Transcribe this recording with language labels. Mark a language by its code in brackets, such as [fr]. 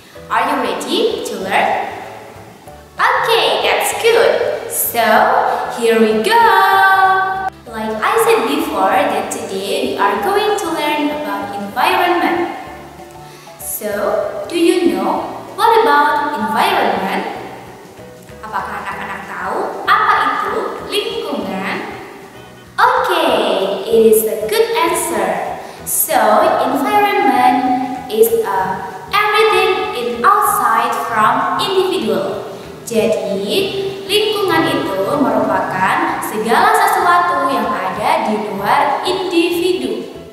[en] Are you ready to learn? Okay, that's good. So, here we go. Like I said before, that today we are going to learn about environment. So, do you know what about environment? [id] Apakah anak-anak tahu apa itu lingkungan? [en] Okay, it is a good answer. So, environment is everything is outside from individual. [id] Jadi, lingkungan itu merupakan segala sesuatu yang ada di luar individu.